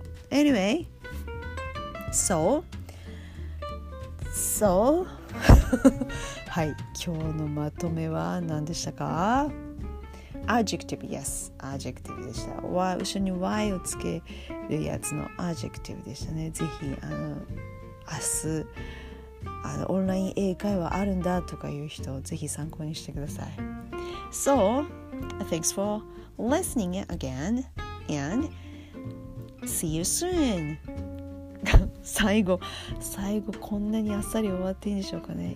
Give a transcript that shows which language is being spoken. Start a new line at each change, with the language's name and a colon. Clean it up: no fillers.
Japanese: Anyway、So はい、今日のまとめは何でしたか。 Adjective、 Yes、 Adjective でした。後ろに Y をつけるやつの Adjective でしたね。ぜひ明日オンライン英会話あるんだとかいう人、ぜひ参考にしてください。
English: So, thanks for listening again and see you soon.
Japanese: 最後、最後こんなにあっさり終わっていいんでしょうかね。